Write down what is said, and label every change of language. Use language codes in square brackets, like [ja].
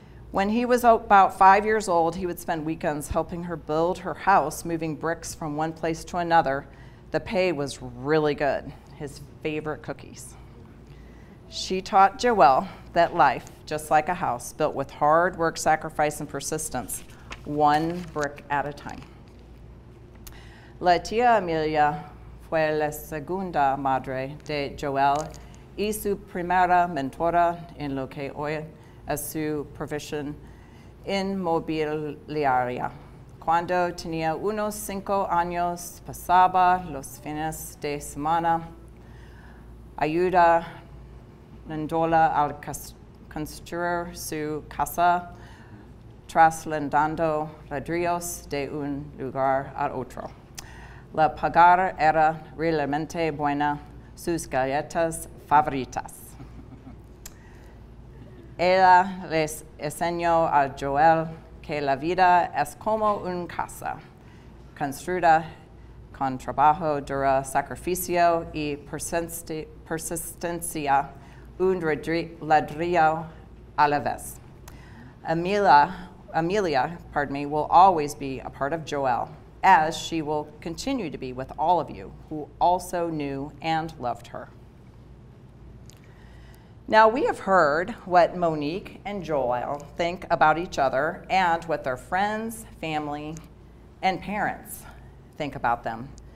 [en] When he was about 5 years old, he would spend weekends helping her build her house, moving bricks from one place to another. The pay was really good, his favorite cookies. She taught Joel that life, just like a house, built with hard work, sacrifice, and persistence, one brick at a time. [es] La tía Amelia fue la segunda madre de Joel y su primera mentora en lo que hoy es su profesión inmobiliaria. Cuando tenía unos 5 años, pasaba los fines de semana ayudándola a construir su casa, trasladando ladrillos de un lugar a otro. La paga era realmente buena, sus galletas favoritas. Ella les enseñó a Joel que la vida es como una casa, construida con trabajo duro, sacrificio y persistencia, un ladrillo a la vez. [en] Amelia, will always be a part of Joel, as she will continue to be with all of you who also knew and loved her. Now we have heard what Monique and Joel think about each other and what their friends, family, and parents think about them.